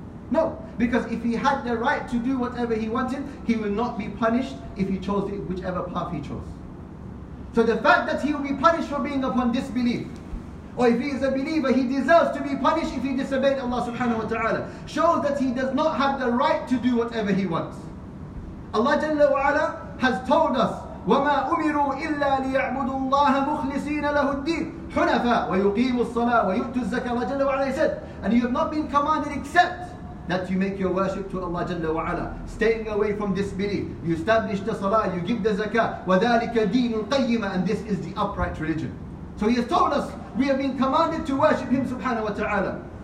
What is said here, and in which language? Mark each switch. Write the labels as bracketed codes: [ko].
[en] No, because if he had the right to do whatever he wanted, he would not be punished if he chose whichever path he chose. So the fact that he will be punished for being upon disbelief, or if he is a believer, he deserves to be punished if he disobeyed Allah subhanahu wa ta'ala, shows that he does not have the right to do whatever he wants. Allah Jalla wa Ala has told us, [ar] وَمَا أُمِرُوا إِلَّا لِيَعْبُدُوا اللَّهَ مُخْلِصِينَ لَهُ الدِّينَ حُنَفَى وَيُقِيمُ الصَّلَاةَ وَيُؤْتُ الزَّكَاةَ. [en] Allah Jalla wa Ala said, and you have not been commanded except that you make your worship to Allah Jalla wa Ala, staying away from disbelief. You establish the salah, you give the zakah, [ar] وَذَلِكَ دِينُ الْقَيِّمَ. [en] And this is the upright religion. So he has told us, we have been commanded to worship him subhanahu wa ta'ala.